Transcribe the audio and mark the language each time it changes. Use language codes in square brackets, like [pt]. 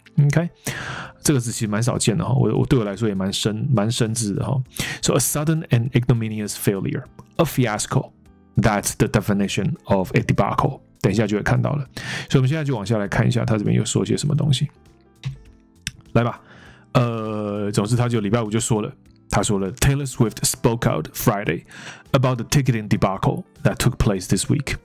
[zh] Okay, 这个字其实蛮少见的，我对我来说也蛮深字的。 [en] So a sudden and ignominious failure, a fiasco, that's the definition of a debacle. [zh] 等一下就会看到了。所以我们现在就往下来看一下他这边又说些什么东西。来吧，总之他就礼拜五就说了。他说了 [en] ，Taylor Swift spoke out Friday about the ticketing debacle that took place this week.